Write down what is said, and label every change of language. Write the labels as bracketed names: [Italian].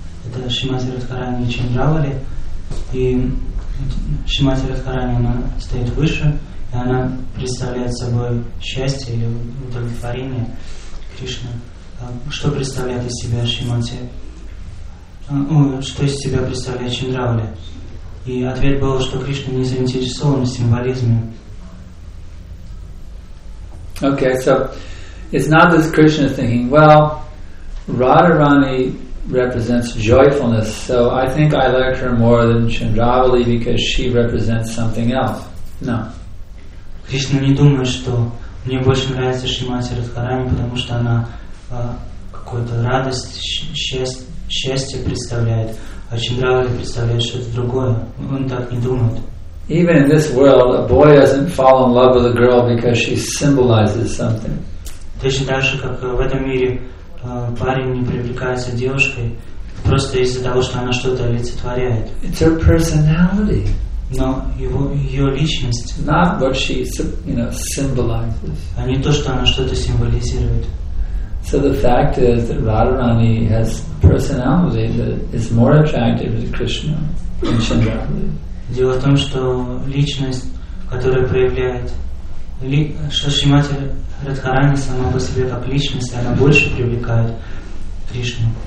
[Russian] Это Шримати Радхарани и Чандравали. И Шримати Радхарани, она стоит выше, и она представляет собой счастье или удовлетворение Кришны. Что представляет из себя Шримати? Что из себя представляет Чандравали? И ответ был, что Кришна не заинтересован в символизме. [English] Okay, so it's not that Krishna is thinking, well, Radharani represents joyfulness, so I think I like her more than Chandravali because she represents something else. No. [Russian] Krishna не думает, что мне больше нравится Шримати Радхарани, потому что она какую-то радость, счастье представляет, а Чандравали представляет что-то другое. Он так не думает. [English] Even in this world, a boy doesn't fall in love with a girl because she symbolizes something. [Russian] Точно так же, как в этом мире парень не привлекается девушкой просто из-за того, что она что-то олицетворяет. [English] It's her personality. [Russian] Но ее личность. [English] Not what she, symbolizes. [Russian] А не то, что она что-то символизирует. [English] So the fact is that Radharani has a personality that is more attractive to Krishna than Chandravali. [Russian] Дело в том, что личность, которая проявляет что Шримати Радхарани сама по себе как личность, она больше привлекает Кришну.